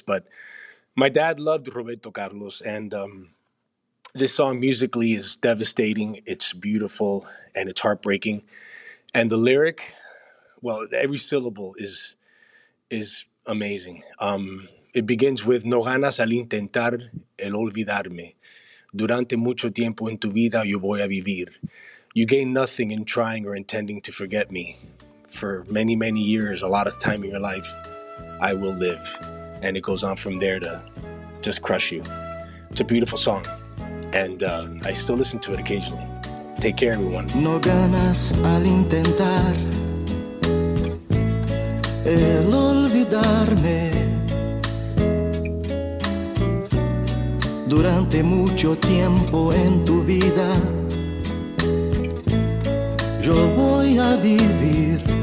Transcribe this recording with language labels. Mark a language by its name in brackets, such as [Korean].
[English] But my dad loved Roberto Carlos, and this song musically is devastating. It's beautiful and it's heartbreaking. And the lyric, well, every syllable is amazing. [Spanish] It begins with, no ganas al intentar el olvidarme. Durante mucho tiempo en tu vida yo voy a vivir. [English] You gain nothing in trying or intending to forget me. For many, many years, a lot of time in your life, I will live. And it goes on from there to just crush you. It's a beautiful song. And I still listen to it occasionally. Take care, everyone. [Spanish] No ganas al intentar el olvidarme. Durante mucho tiempo en tu vida yo voy a vivir.